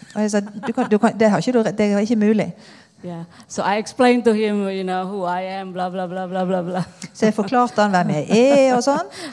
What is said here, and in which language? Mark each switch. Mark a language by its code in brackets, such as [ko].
[no] Og jeg sa, du kan, det er ikke mulig. [en] Yeah. So I explained to him, you know, who I am, blah, blah, blah, blah, blah, blah. [no] Så jeg forklarte han hvem jeg og sånn.